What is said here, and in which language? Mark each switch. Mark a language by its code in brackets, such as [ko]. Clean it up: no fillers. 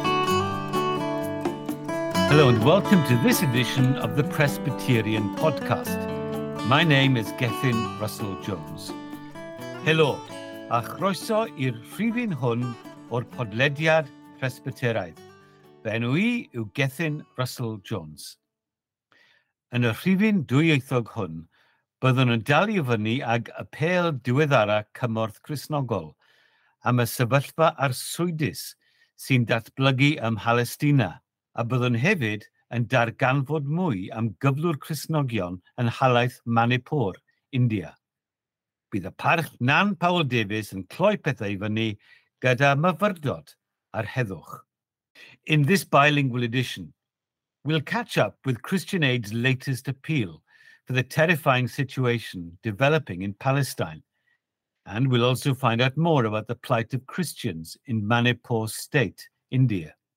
[en] Hello and welcome to this edition of the Presbyterian Podcast. My name is Gethin Russell-Jones. [cy] Helo, a chroeso i'r rhifyn hwn o'r podlediad Presbyteraidd. Benw I yw Gethin Russell-Jones. Yn y rhifyn dwyieithog hwn, byddwn yn dal I fyny ag apêl diweddara Cymorth Cristnogol am y sefyllfa arswydus sy'n datblygu ym Mhalestina, a byddwn hefyd yn darganfod mwy am gyflwr Cristnogion yn nhalaith Manipur, India. Bydd y parch Nan Powell Davies yn cloi pethau I fyny gyda myfyrdod a'r heddwch. [en] In this bilingual edition, we'll catch up with Christian Aid's latest appeal for the terrifying situation developing in Palestine. And we'll also find out more about the plight of Christians in Manipur state, India.